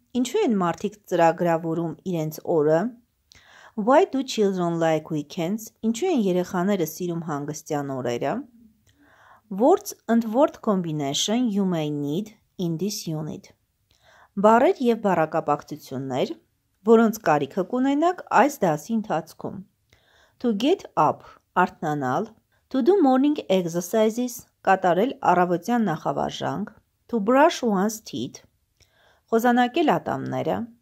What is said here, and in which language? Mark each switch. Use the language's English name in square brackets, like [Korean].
[Armenian] Ինչու են մարդիկ ծրագրավորում իրենց օրը? [English] Why do children like weekends? [Armenian] Ինչու են երեխաները սիրում հանգստյան օրերը? [English] Words and word combination you may need in this unit. [Armenian] Բառեր եւ բառակապակցություններ, որոնց կարիքը կունենաք այս դասի ընթացքում. [English] To get up, արթնանալ. To do morning exercises, [Armenian] կատարել առավոտյան նախավարժանք. [English] To brush one's teeth, [Armenian] խոզանակել ատամները.